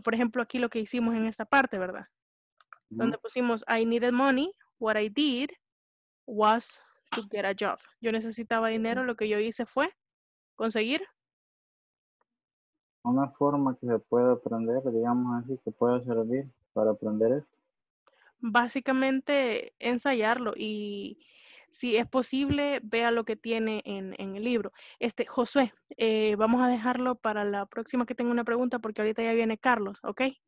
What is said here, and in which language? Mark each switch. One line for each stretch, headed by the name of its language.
Spanish: Por ejemplo, aquí lo que hicimos en esta parte, ¿verdad?
English: Mm-hmm.
Spanish: Donde pusimos
English: I needed money. What I did was to get a job.
Spanish: Yo necesitaba dinero. Lo que yo hice fue conseguir. Una forma que se puede aprender, digamos así, que pueda servir para aprender esto. Básicamente, ensayarlo. Y si es posible, vea lo que tiene en el libro. Josué, vamos a dejarlo para la próxima que tenga una pregunta, porque ahorita ya viene Carlos, ¿ok?